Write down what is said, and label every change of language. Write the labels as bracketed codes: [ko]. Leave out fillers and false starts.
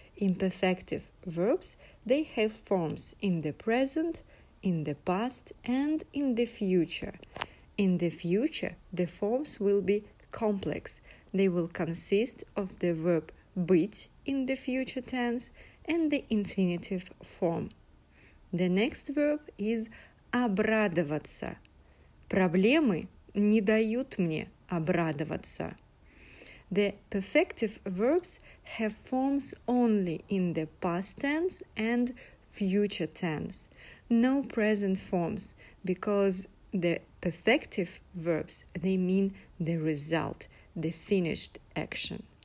[en] Imperfective verbs, they have forms in the present, in the past, and in the future. In the future, the forms will be complex. They will consist of the verb быть in the future tense and the infinitive form. The next verb is обрадоваться. [ru] Проблемы не дают мне обрадоваться. [en] The perfective verbs have forms only in the past tense and future tense. No present forms, because the perfective verbs, they mean the result, the finished action.